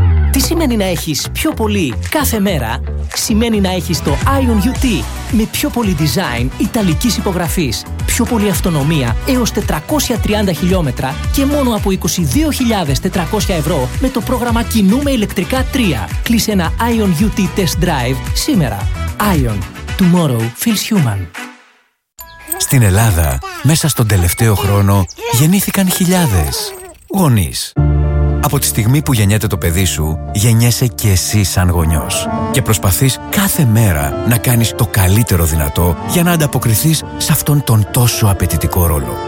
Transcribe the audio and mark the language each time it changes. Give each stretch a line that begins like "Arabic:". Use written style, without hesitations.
Greek: Τι σημαίνει να έχεις πιο πολύ κάθε μέρα? Σημαίνει να έχεις το Ion UT με πιο πολύ design ιταλικής υπογραφής, πιο πολύ αυτονομία έως 430 χιλιόμετρα και μόνο από 22.400 ευρώ με το πρόγραμμα Κινούμε Ηλεκτρικά 3. Κλείσε ένα Ion UT Test Drive σήμερα.
English: Ion. Tomorrow feels human.
Greek: Στην Ελλάδα, μέσα στον τελευταίο χρόνο, γεννήθηκαν χιλιάδες γονείς. Από τη στιγμή που γεννιέται το παιδί σου, γεννιέσαι και εσύ σαν γονιός. Και προσπαθείς κάθε μέρα να κάνεις το καλύτερο δυνατό για να ανταποκριθείς σε αυτόν τον τόσο απαιτητικό ρόλο.